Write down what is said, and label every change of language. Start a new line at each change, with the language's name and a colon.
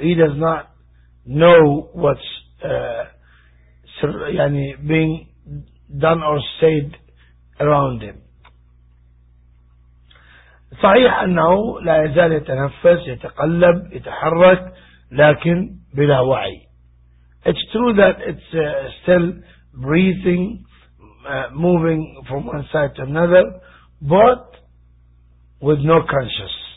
English: He does not know what's يعني being done or said around him.
Arabic: صحيح أنه لا يزال يتنفس, يتقلب, يتحرك, لكن بلا وعي.
English: It's true that it's still breathing, moving from one side to another, but with no conscious.